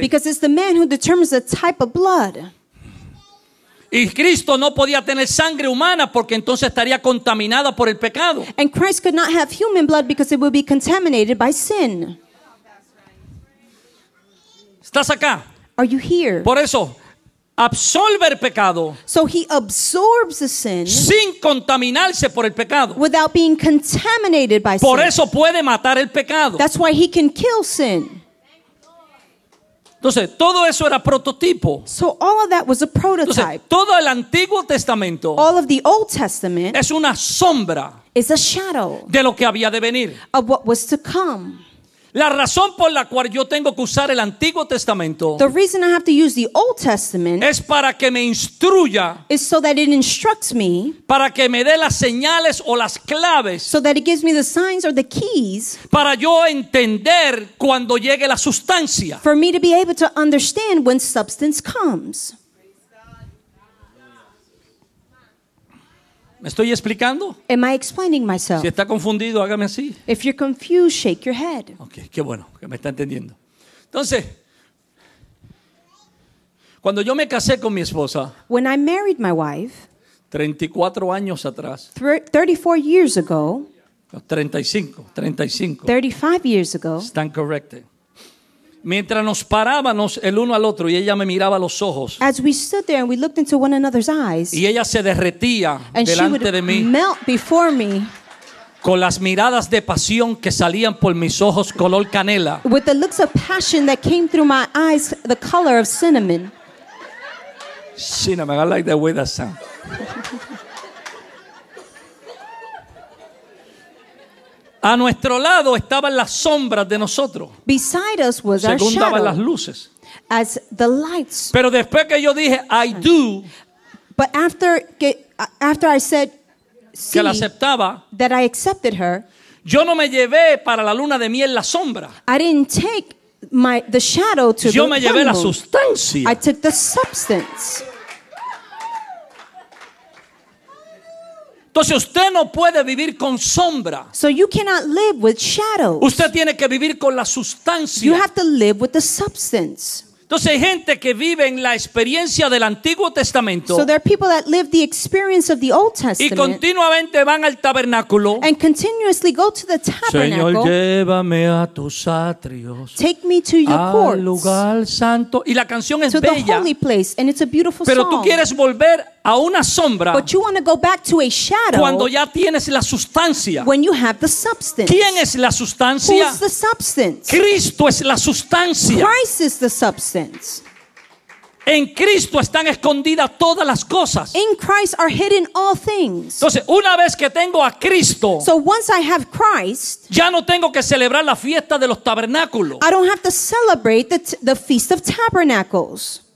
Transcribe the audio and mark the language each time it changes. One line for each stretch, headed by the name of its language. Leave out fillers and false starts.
English: Because it's the man who determines the type of blood.
Spanish: Y Cristo no podía tener sangre humana porque entonces estaría contaminada por el pecado.
English: And Christ could not have human blood because it would be contaminated by sin.
Spanish: ¿Estás acá?
English: Are you here?
Spanish: Por eso. Absolve el pecado.
English: So he absorbs the sin.
Spanish: Sin contaminarse por el pecado.
English: Without being contaminated by sin.
Spanish: Por eso puede matar el pecado.
English: That's why he can kill sin.
Spanish: Entonces, todo eso era prototipo.
English: So all of that was a prototype.
Spanish: Entonces, todo el Antiguo Testamento.
English: All of the Old Testament.
Spanish: Es una sombra.
English: Is a shadow.
Spanish: De lo que había de venir.
English: Of what was to come.
Spanish: La razón por la cual yo tengo que usar el Antiguo Testamento.
English: The reason I have to use the Old Testament.
Spanish: Es para que me instruya.
English: Is so that it instructs me.
Spanish: Para que me dé las señales o las claves.
English: So that it gives me the signs or the keys.
Spanish: Para yo entender cuando llegue la sustancia.
English: For me to be able to understand when substance comes.
Spanish: ¿Me estoy explicando?
English: Am I explaining myself?
Spanish: Si está confundido, hágame así.
English: If you're confused, shake your head.
Spanish: Okay, qué bueno que me está entendiendo. Entonces, cuando yo me casé con mi esposa,
English: when I married my wife,
Spanish: 34 años atrás,
English: 34 years ago, 35 years ago, stand corrected.
Spanish: Mientras nos parábamos el uno al otro y ella me miraba a los ojos.
English: As we stood there and we looked into one another's eyes.
Spanish: Y ella se derretía delante de mí.
English: And she would melt before me.
Spanish: Con las miradas de pasión que salían por mis ojos color canela.
English: With the looks of passion that came through my eyes, the color of cinnamon. Cinnamon, I like the way that sounds.
Spanish: A nuestro lado estaban las sombras de nosotros.
English: Beside us was our shadow.
Spanish: Secundaban las luces.
English: As the lights.
Spanish: Pero después que yo dije,
English: I do. But after I said,
Spanish: que la aceptaba,
English: that I accepted her,
Spanish: yo no me llevé para la luna de miel la sombra.
English: I didn't take the shadow to
Spanish: yo
English: the
Spanish: me llevé la sustancia.
English: I took the substance.
Spanish: Entonces usted no puede vivir con sombra.
English: So you cannot live with shadows.
Spanish: Usted tiene que vivir con la sustancia.
English: You have to live with the substance.
Spanish: Entonces hay gente que vive en la experiencia del Antiguo Testamento.
English: So there are people that live the experience of the Old Testament.
Spanish: Y continuamente van al tabernáculo.
English: And continuously go to the tabernacle.
Spanish: Señor, llévame a tus atrios.
English: Take me to your courts.
Spanish: Al lugar santo. Y la canción es
English: to
Spanish: bella.
English: To the holy place, and it's a beautiful song.
Spanish: Pero tú quieres volver a una sombra.
English: But you want to go back to a shadow.
Spanish: Cuando ya tienes la sustancia.
English: When you have the substance.
Spanish: ¿Quién es la sustancia?
English: Who's the substance?
Spanish: Cristo es la sustancia.
English: Christ is the substance.
Spanish: En Cristo están escondidas todas las cosas.
English: In Christ are hidden all things.
Spanish: Entonces, una vez que tengo a Cristo,
English: so once I have Christ,
Spanish: ya no tengo que celebrar la fiesta de los tabernáculos.
English: I don't have to celebrate the feast of tabernacles.